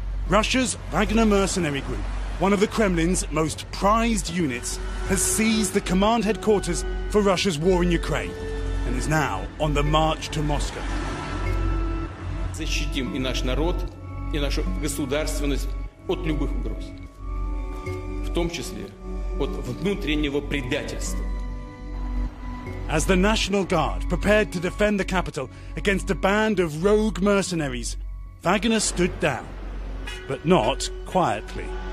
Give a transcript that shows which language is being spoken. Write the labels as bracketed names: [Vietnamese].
[English] Russia's Wagner Mercenary Group, one of the Kremlin's most prized units, has seized the command headquarters for Russia's war in Ukraine and is now on the march to Moscow. [Russian] Защитим и наш народ, и нашу государственность от любых угроз, в том числе от внутреннего предательства. [English] As the National Guard prepared to defend the capital against a band of rogue mercenaries, Wagner stood down, but not quietly.